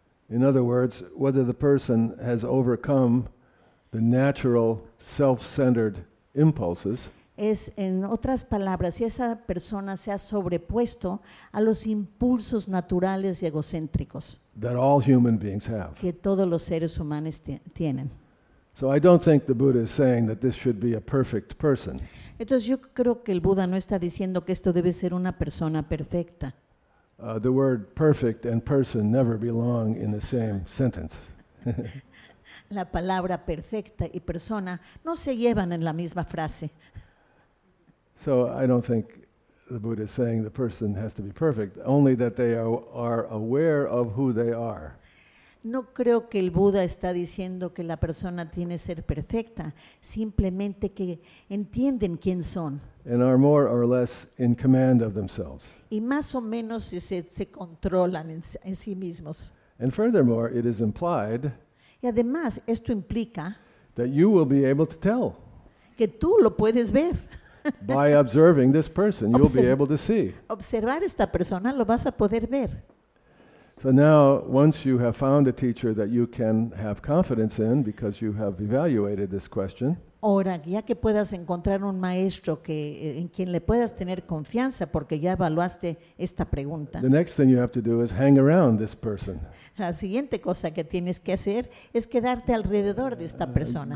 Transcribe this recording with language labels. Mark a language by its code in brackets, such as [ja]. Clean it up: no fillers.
[en] In other words, whether the person has overcome the natural self-centered impulses. [es] Es en otras palabras, si esa persona se ha sobrepuesto a los impulsos naturales y egocéntricos. [en] That all human beings have. [es] Que todos los seres humanos tienen. [en] So I don't think the Buddha is saying that this should be a perfect person. [es] Entonces yo creo que el Buda no está diciendo que esto debe ser una persona perfecta. [en] The word perfect and person never belong in the same sentence. [es] La palabra perfecta y persona no se llevan en la misma frase. [en] So I don't think the Buddha is saying the person has to be perfect, only that they are aware of who they are. [es] No creo que el Buda está diciendo que la persona tiene que ser perfecta, simplemente que entienden quién son. [en] And are more or less in command of themselves. [es] Y más o menos se controlan en sí mismos. [en] And furthermore, it is implied. [es] Y además, esto implica [en] that you will be able to tell. [es] Que tú lo puedes ver. [en] By observing this person, you'll be able to see. [es] Observar esta persona lo vas a poder ver. [en] So now, once you have found a teacher that you can have confidence in because you have evaluated this question. [es] Ahora, ya que puedas encontrar un maestro que, en quien le puedas tener confianza porque ya evaluaste esta pregunta. [en] The next thing you have to do is hang around this person. [es] La siguiente cosa que tienes que hacer es quedarte alrededor de esta persona.